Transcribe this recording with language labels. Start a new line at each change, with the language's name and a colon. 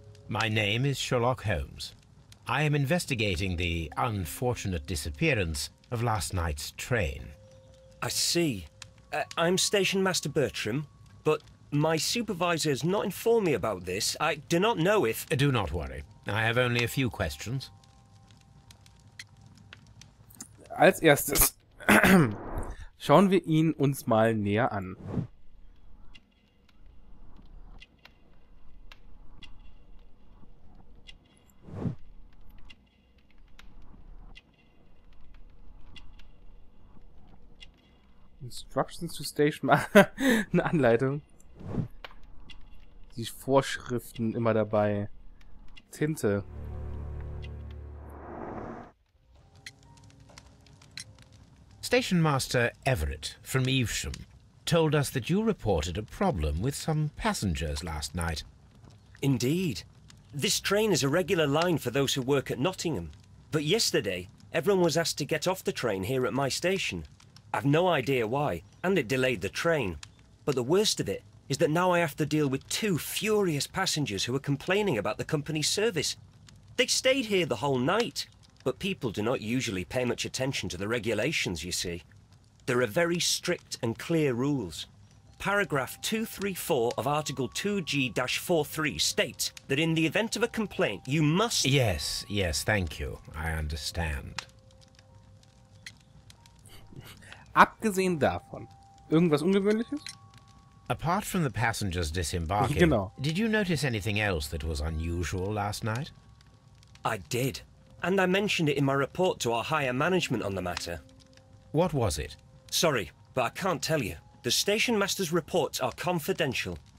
English: My name is Sherlock Holmes. I am investigating the unfortunate disappearance of last night's train. I see. I'm Station Master Bertram, but my supervisor has not informed me about this. I do not know if... Do not worry. I have only a few questions.
German: Als erstes schauen wir ihn uns mal näher an.
English: Instructions to Station.
German: Eine Anleitung. Die Vorschriften immer dabei. Tinte.
English: Station Master Everett from Evesham told us that you reported a problem with some passengers last night. Indeed. This train is a regular line for those who work at Nottingham. But yesterday, everyone was asked to get off the train here at my station. I've no idea why, and it delayed the train. But the worst of it is that now I have to deal with two furious passengers who are complaining about the company's service. They stayed here the whole night, but people do not usually pay much attention to the regulations, you see. There are very strict and clear rules. Paragraph 234 of Article 2G-43 states that in the event of a complaint, you must... Yes, yes, thank you. I understand.
German: Abgesehen davon, irgendwas Ungewöhnliches?
English: Apart from the passengers disembarking,
German: genau.
English: Did you notice anything else that was unusual last night? I did, and I mentioned it in my report to our higher management on the matter. What was it? Sorry, but I can't tell you. The station master's reports are confidential.